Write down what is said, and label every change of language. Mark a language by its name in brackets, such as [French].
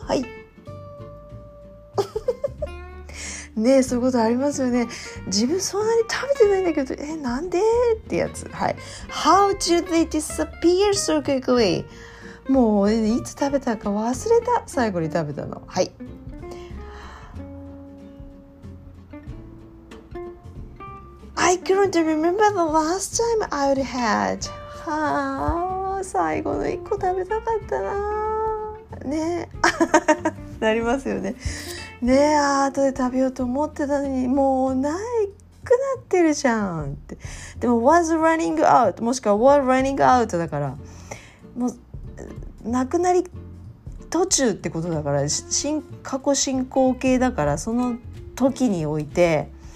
[Japanese] はいね、そういうことありますよね。自分そんなに食べてないんだけど、え、なんでってやつ。 [English] はい、 How do they disappear so quickly? [Japanese] もういつ食べたか忘れた、最後に食べたの。 [English] はい、I couldn't remember the last time I would had. [Japanese] はあ、最後の一個食べたかったな。ね、なりますよね。ね、あとで食べようと思ってたのに、もうないくなってるじゃんって。でも [English] was running out [Japanese] もしくは was running out だから、もうなくなり途中ってことだから、過去進行形だからその時において。